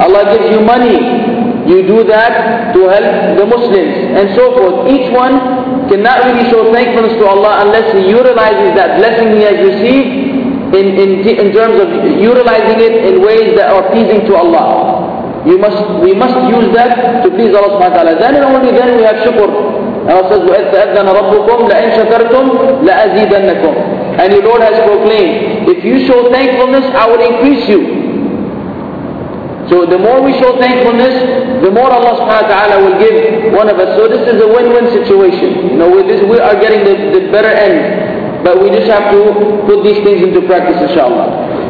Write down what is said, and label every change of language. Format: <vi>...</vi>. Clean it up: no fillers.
<en>Allah gives you money, you do that to help the Muslims, and so forth. Each one cannot really show thankfulness to Allah unless he utilizes that blessing he has received in terms of utilizing it in ways that are pleasing to Allah. We must use that to please Allah subhanahu wa ta'ala. Then and only then we have shukr. Allah says,</en> <ar>وَإِذْ تَأَذَّنَ رَبُّكُمْ لَإِنْ شَكَرْتُمْ لَأَزِيدَنَّكُمْ.</ar> <en>And the Lord has proclaimed, if you show thankfulness, I will increase you. So the more we show thankfulness, the more Allah subhanahu wa ta'ala will give one of us. So this is a win-win situation. You know, with this, we are getting the better end. But we just have to put these things into practice, inshallah.</en>